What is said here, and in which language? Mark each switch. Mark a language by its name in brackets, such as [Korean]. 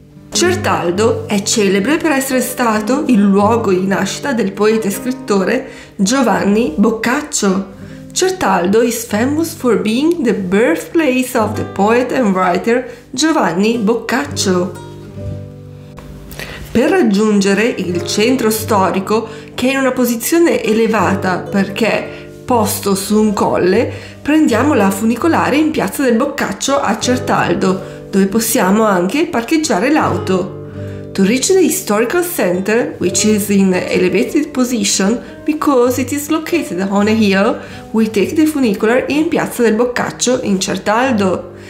[Italian] Certaldo è celebre per essere stato il luogo di nascita del poeta e scrittore Giovanni Boccaccio. [English] Certaldo is famous for being the birthplace of the poet and writer Giovanni Boccaccio. [Italian] Per raggiungere il centro storico, che è in una posizione elevata perché posto su un colle, prendiamo la funicolare in piazza del Boccaccio a Certaldo, dove possiamo anche parcheggiare l'auto. [English] To reach the historical center, which is in an elevated position because it is located on a hill, we take the funicular in piazza del Boccaccio in Certaldo.